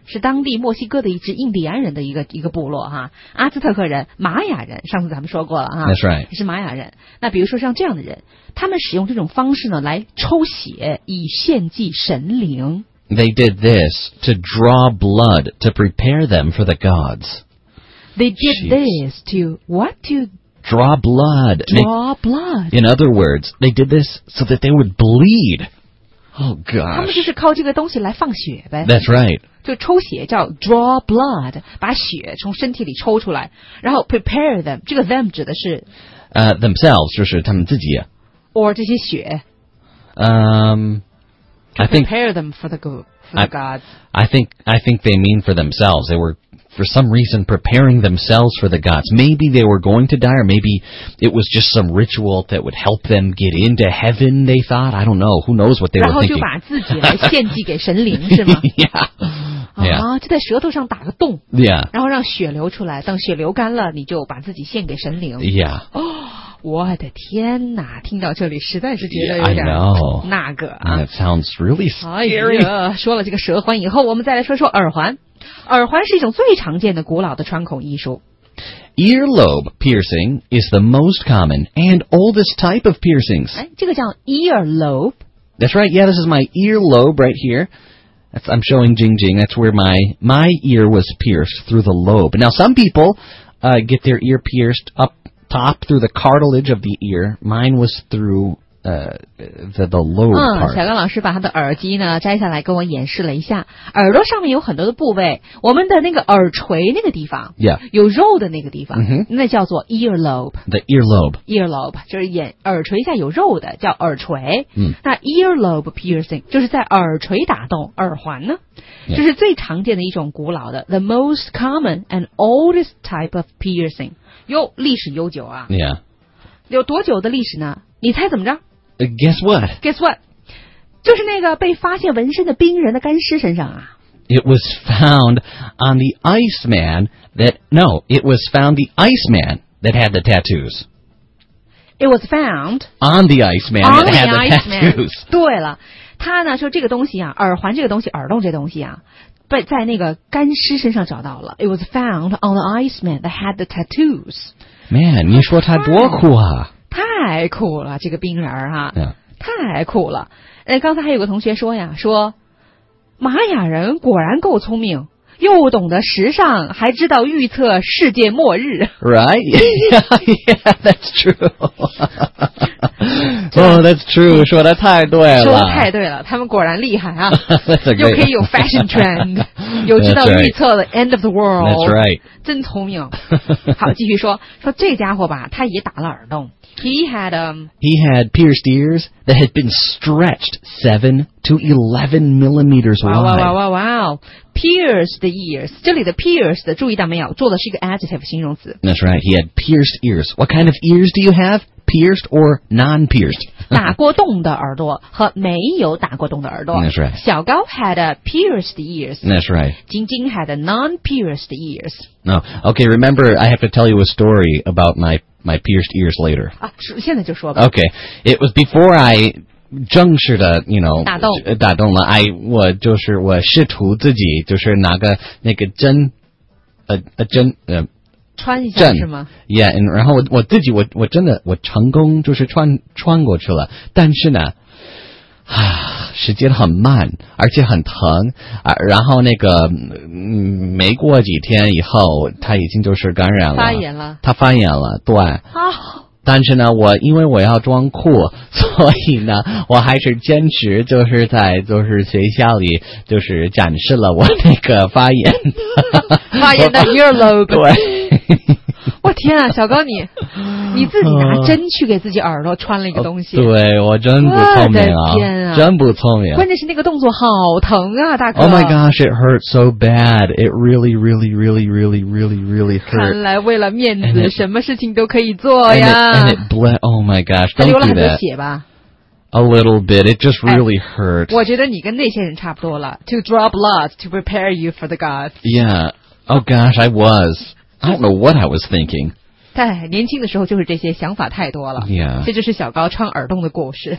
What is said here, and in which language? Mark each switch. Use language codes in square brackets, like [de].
[zh] 是当地墨西哥的一支印第安人的一个部落哈、啊，阿兹特克人、玛雅人。上次咱们说过了哈、啊。 [en] That's right. [zh] 是玛雅人。那比如说像这样的人，他们使用这种方式呢来抽血以献祭神灵。 [en] They did this to draw blood to prepare them for the gods. They did、Jeez. This to what to. Draw blood. Draw blood. In other words, they did this so that they would bleed. Oh gosh. [zh] 他们就是靠这个东西来放血呗。 [en] That's right. [zh] 就抽血叫 draw blood， 把血从身体里抽出来，然后 prepare them。这个 them 指的是 themselves， 就是他们自己。 Or 这些血。 [en] I think prepare them for the gods. I think they mean for themselves. They were. For some reason, preparing themselves for the gods. Maybe they were going to die, or maybe it was just some ritual that would help them get into heaven, they thought. I don't know. Who knows what they were thinking. [zh] 然后就把自己来献祭给神灵，是吗？ [en] Yeah. [zh] 啊，就在舌头上打个洞。 [en] Yeah. [zh] 然后让血流出来，等血流干了，你就把自己献给神灵。 [en] Yeah. [zh] 哦，我的天哪！听到这里，实在是觉得有点那个啊。 [en] That sounds really scary. [zh] 哎呀，说了这个蛇环以后，我们再来说说耳环。耳环是一种最常见的古老的穿孔艺术。 [en] Earlobe piercing is the most common and oldest type of piercings. [zh] 这个叫 earlobe. [en] That's right. Yeah, this is my earlobe right here. I'm showing Jing Jing. That's where my ear was pierced through the lobe. Now, some people get their ear pierced up top through the cartilage of the ear. Mine was through the lower part. [zh] 小刚老师把他的耳机呢摘下来跟我演示了一下，耳朵上面有很多的部位，我们的那个耳垂那个地方， [en] yeah. [zh] 有肉的那个地方， [en] mm-hmm. [zh] 那叫做 earlobe. [en] The earlobe. [zh] Earlobe 就是眼耳垂下有肉的叫耳垂。嗯、mm-hmm. ，那 earlobe piercing 就是在耳垂打洞，耳环呢？ [en] Yeah. [zh] 就是最常见的一种古老的 [en] the most common and oldest type of piercing， [zh] 哟，历史悠久啊。 [en] Yeah. [zh] 有多久的历史呢？你猜怎么着？ [en] Guess what? Guess what? [zh] 就是那个被发现纹身的冰人的干尸身上啊。 [en] It was found on the Iceman that no, it was found the Iceman that had the tattoos. It was found on the Iceman that had the tattoos. [zh] 对了，他呢说这个东西啊，耳环这个东西，耳洞这东西啊，被在那个干尸身上找到了。 [en] It was found on the Iceman that had the tattoos. [zh] Man, 你说他多酷啊！太酷了，这个冰人儿、啊、哈， [en] yeah. [zh] 太酷了。哎，刚才还有个同学说呀，说玛雅人果然够聪明。又懂得时尚，还知道预测世界末日。 [en] Right? Yeah, that's true. Oh, that's true. [zh] 说的太对了。说的太对了，他们果然厉害啊！又可以有 fashion trend， [en] <That's right. [zh] 笑>又知道预测了 end of the world。 [en] That's right. [zh] 真聪明。好，继续说，说这家伙吧，他也打了耳洞。 [en] He had pierced ears that had been stretched 7 to 11 millimeters wide. Wow. Pierced ears. [zh] 这里的 pierced, 注意到没有？做的是一个 adjective 形容词。 [en] That's right. He had pierced ears. What kind of ears do you have? Pierced or non-pierced? [zh] 打过洞的耳朵和没有打过洞的耳朵。 [en] That's right. 小高 had pierced ears. That's right. 晶晶 had non-pierced ears. No. Okay, remember, I have to tell you a story about my pierced ears later. [zh] 啊，现在就说吧。 [en] Okay, it was before I juncture 的 you know, [zh] 打洞了。我试图自己就是拿个那个针 , 穿一下是吗 ? [en] Yeah, and [zh] 然后我自己我真的我成功就是穿过去了。但是呢时间很慢而且很疼、啊、然后那个没过几天以后他已经就是感染了。他发炎了对。但是呢我因为我要装酷所以呢我还是坚持就是在就是学校里就是展示了我那个发炎的。发炎的 earlobe。对。我天啊小高你自己拿针去给自己耳朵穿了一个东西。对我真不聪明啊。我的天啊。真不聪明。关键是那个动作好疼啊大哥。 [en] Oh my gosh, it hurt so bad. It really, really, really, really, really, really hurt. [zh] 看来为了面子什么事情都可以做呀。 [en] And it bled, oh my gosh, don't do that. [zh] 流了很多血吧。 [en] A little bit, it just really hurt. [zh] 我觉得你跟那些人差不多了。 [en] To draw blood to prepare you for the gods. Yeah, oh gosh, I was. I don't know what I was thinking. [zh] 对，年轻的时候就是这些想法太多了。 [en] Yeah. [zh] 这就是小高穿耳洞的故事。